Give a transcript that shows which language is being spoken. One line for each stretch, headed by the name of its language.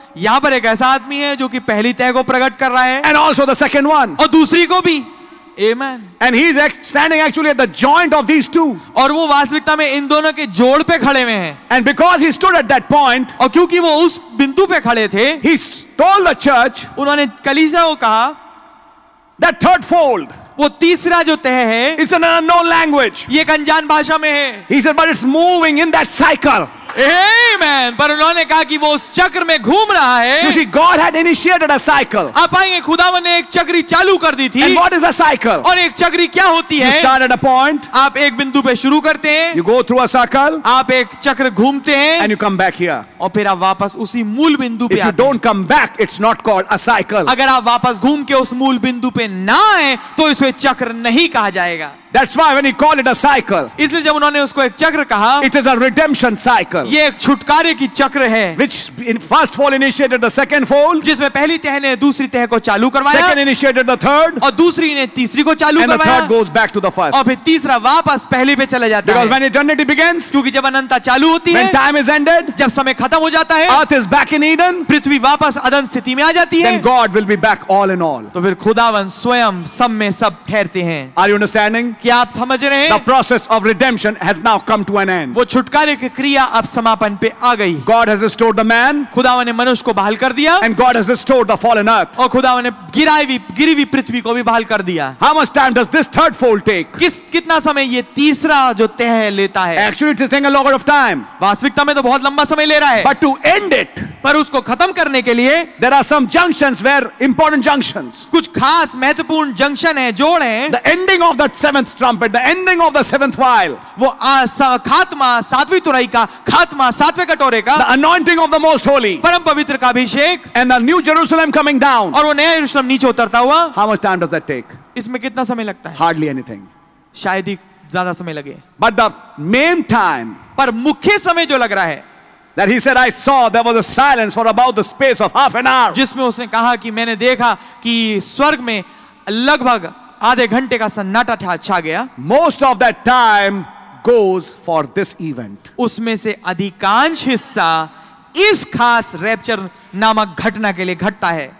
Hindi: यहाँ पर एक ऐसा आदमी है जो कि पहली तह को प्रकट कर रहा है.
English: And also the second one.
Hindi: और दूसरी को भी. Amen.
English: And he is standing actually at the joint of these two.
Hindi: और वो वास्तविकता में इन दोनों के जोड़ पे खड़े हुए हैं.
English: And because he stood at that point,
Hindi: और क्योंकि वो उस बिंदु पे खड़े थे,
English: he told the church,
Hindi: उन्होंने कलीसिया को कहा,
English: that third fold.
Hindi: वो तीसरा जो तह है,
English: it's an unknown language.
Hindi: ये एक अनजान भाषा में है.
English: He said, but it's moving in that cycle. Amen.
Hindi: पर उन्होंने कहा कि वो उस चक्र में घूम रहा है.
English: You see, God had initiated a cycle.
Hindi: आप आएंगे, खुदावन ने एक चक्री चालू कर दी थी.
English: And what is a cycle?
Hindi: और एक चक्री क्या होती है?
English: You start at a point.
Hindi: आप एक बिंदु पे शुरू करते हैं.
English: You go through a circle.
Hindi: आप एक चक्र घूमते हैं.
English: And you come back here.
Hindi: और फिर आप वापस उसी मूल बिंदु पे.
English: If you don't come back, it's not called a cycle.
Hindi: अगर आप वापस घूम के उस मूल बिंदु पे ना आए तो इसे चक्र नहीं कहा जाएगा.
English: That's why when he called it a cycle.
Hindi: इसलिए जब उन्होंने उसको एक चक्र कहा,
English: it is a redemption cycle.
Hindi: ये एक छुटकारे की चक्र है.
English: Which in first fall initiated the second fall.
Hindi: जिसमें पहली तह ने दूसरी तह को चालू करवाया.
English: Second initiated the third.
Hindi: और दूसरी ने तीसरी को चालू करवाया.
English: And the third goes back to the first.
Hindi: और फिर तीसरा वापस पहली पे चला जाता है.
English: Because when eternity begins.
Hindi: क्योंकि जब अनंतता चालू होती है.
English: When time is ended.
Hindi: जब समय खत्म हो जाता है.
English: Earth is back in Eden.
Hindi: पृथ्वी वापस अदन स्थिति में आ जाती है.
English: Then God will be back all in all.
Hindi: तो फिर खुदावन स्वयं सब में सब ठहरते हैं.
English: Are you understanding?
Hindi: कि आप समझ रहे हैं?
English: The process of redemption has now come to an end.
Hindi: वो छुटकारे की क्रिया अब समापन पे आ गई.
English: God has restored the man.
Hindi: खुदावन ने मनुष्य को बहाल कर दिया.
English: And God has restored the fallen earth.
Hindi: और खुदावन ने गिरी हुई पृथ्वी को भी बहाल कर दिया.
English: How much time does this third fold take?
Hindi: कितना समय ये तीसरा जो तह लेता है?
English: Actually, it is taking a lot of time.
Hindi: वास्तविकता में तो बहुत लंबा समय ले रहा है.
English: But to end it.
Hindi: पर उसको खत्म करने के लिए.
English: There are some junctions where important junctions.
Hindi: कुछ खास महत्वपूर्ण जंक्शन है, जोड़ है.
English: The ending of that seventh trumpet, the ending of the seventh vial.
Hindi: वो खात्मा, सातवीं तुरही का खात्मा, सातवें कटोरे का.
English: The anointing of the most holy.
Hindi: परम पवित्र का अभिषेक.
English: And the new Jerusalem coming down.
Hindi: और वो नया यरूशलेम नीचे उतरता हुआ.
English: How much time does that take?
Hindi: इसमें कितना समय लगता है?
English: Hardly anything.
Hindi: शायद ही ज्यादा समय लगे.
English: But the main time.
Hindi: पर मुख्य समय जो लग रहा है.
English: That he said, I saw there was a silence for about the space of half an hour.
Hindi: जिसमें उसने कहा कि मैंने देखा कि स्वर्ग में लगभग आधे घंटे का सन्नाटा था, छा गया.
English: Most of that time goes for this event.
Hindi: उसमें से अधिकांश हिस्सा इस खास रैप्चर नामक घटना के लिए घटता है.